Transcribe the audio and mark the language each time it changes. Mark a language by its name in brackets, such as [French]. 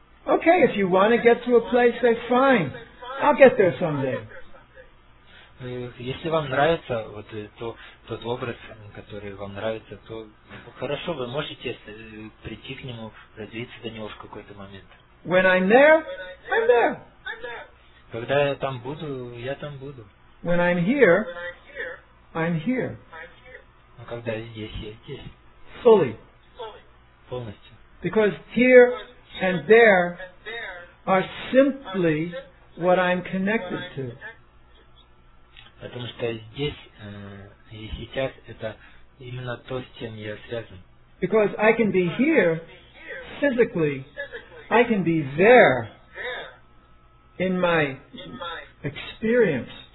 [English] Okay, if you want to get to a place, that's fine. I'll get there someday. [Russian] Если вам нравится вот тот образ, который вам нравится, то хорошо, вы можете прийти к нему, развиться до него в какой-то момент. [English] When I'm there, I'm there. [Russian] Когда я там буду, я там буду. [English] When I'm here, I'm here. [Russian] А когда я здесь, я здесь. [English] Fully. [Russian] Полностью. [English] Because here and there are simply what I'm connected to. [Russian] Потому что здесь и сейчас это именно то, с чем я связан. [English] Because I can be here physically, I can be there in my experience.